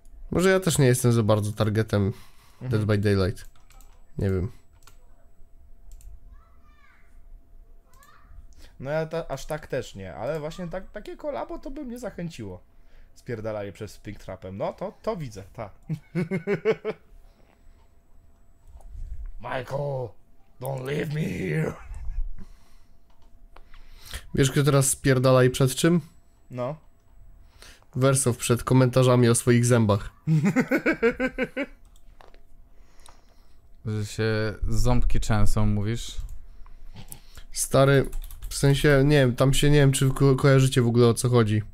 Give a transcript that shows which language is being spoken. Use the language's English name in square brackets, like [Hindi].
[Polish] Może ja też nie jestem za bardzo targetem Dead by Daylight. Nie wiem. No ja aż tak też nie, ale właśnie takie kolabo to by mnie zachęciło. Spierdalanie przez Pink Trapem. No to widzę, tak. [English] Michael, don't leave me here. [Polish] Wiesz, kto teraz spierdala i przed czym? No. Wersow przed komentarzami o swoich zębach. Że się ząbki częsą, mówisz? Stary, w sensie, nie wiem, tam się nie wiem, czy kojarzycie w ogóle, o co chodzi.